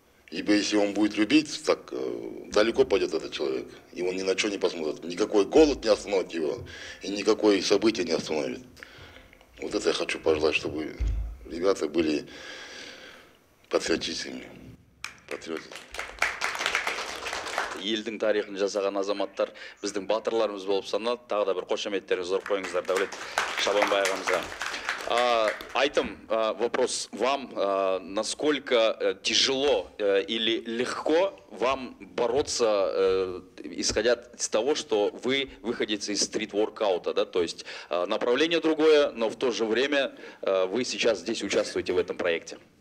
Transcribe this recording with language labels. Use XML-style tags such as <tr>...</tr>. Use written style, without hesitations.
<ru>Ибо если он будет любить, так далеко пойдет этот человек, и он ни на что не посмотрит. Никакой голод не остановит его, и никакое событие не остановит. Вот это я хочу пожелать, чтобы ребята были патриотичными. Патриоты.</ru> <kk>Елдің тарихын жасаған азаматтар, біздің батырларымыз болып саналады. Тағы да бір қошеметтерін зор қойыңыздар, Дәулет Шабанбай ағамызға.</kk> <ru>Айтым, вопрос вам, насколько тяжело или легко вам бороться, исходя из того, что вы выходец из стрит-воркаута, да, то есть направление другое, но в то же время вы сейчас здесь участвуете в этом проекте.</ru>